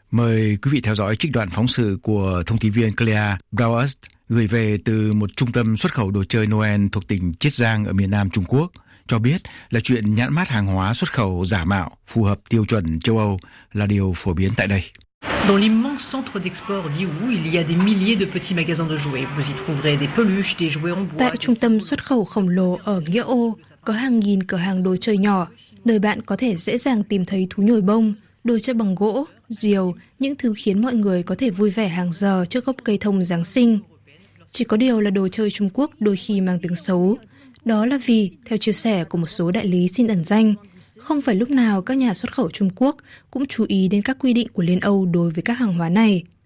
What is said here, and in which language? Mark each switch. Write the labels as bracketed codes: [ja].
[vi] Mời quý vị theo dõi trích đoạn phóng sự của thông tín viên Claire Browst gửi về từ một trung tâm xuất khẩu đồ chơi Noel thuộc tỉnh Chiết Giang ở miền Nam Trung Quốc. Cho biết là chuyện nhãn mát hàng hóa xuất khẩu giả mạo phù hợp tiêu chuẩn châu Âu là điều phổ biến tại đây. [fr] Dans l'immense centre d'export d'Yiwu, il y a des milliers de petits magasins de jouets. Vous y trouverez des peluches, des jouets en bois. [vi] Tại trung tâm xuất khẩu khổng lồ ở Nghĩa Ô có hàng nghìn cửa hàng đồ chơi nhỏ, nơi bạn có thể dễ dàng tìm thấy thú nhồi bông, đồ chơi bằng gỗ, diều, những thứ khiến mọi người có thể vui vẻ hàng giờ trước gốc cây thông Giáng sinh. Chỉ có điều là đồ chơi Trung Quốc đôi khi mang tiếng xấu. Đó là vì, theo chia sẻ của một số đại lý xin ẩn danh, không phải lúc nào các nhà xuất khẩu Trung Quốc cũng chú ý đến các quy định của Liên Âu đối với các hàng hóa này.